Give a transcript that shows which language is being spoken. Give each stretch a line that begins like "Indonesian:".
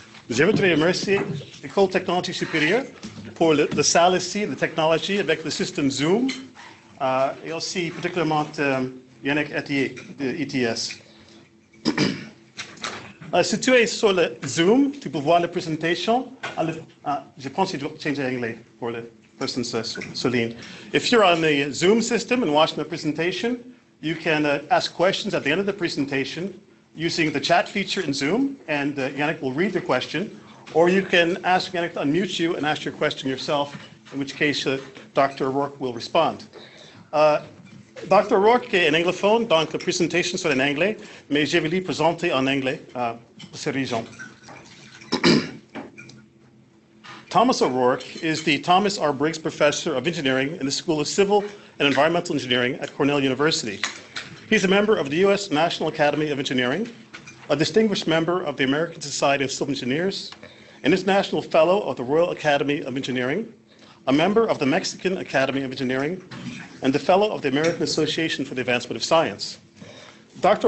French: Je voudrais remercier l'École Technologie Supérieure pour la salle ici, la technologie avec le système Zoom. Et aussi particulièrement Yannick Atier de ETS. si tu es sur le Zoom, tu peux voir la présentation. Je pense que je dois changer l'anglais pour la personne Soline.
English: If you're on the Zoom system and watching the presentation, you can ask questions at the end of the presentation using the chat feature in Zoom, and Yannick will read the question, or you can ask Yannick to unmute you and ask your question yourself, in which case Dr. O'Rourke will respond. Dr.
French: O'Rourke est un anglophone, donc la présentation sera en anglais, mais je vais lui présenter en anglais pour ces raisons.
English: Thomas O'Rourke is the Thomas R. Briggs Professor of Engineering in the School of Civil and Environmental Engineering at Cornell University. He's a member of the U.S. National Academy of Engineering, a distinguished member of the American Society of Civil Engineers, an international fellow of the Royal Academy of Engineering, a member of the Mexican Academy of Engineering, and the fellow of the American Association for the Advancement of Science. Dr.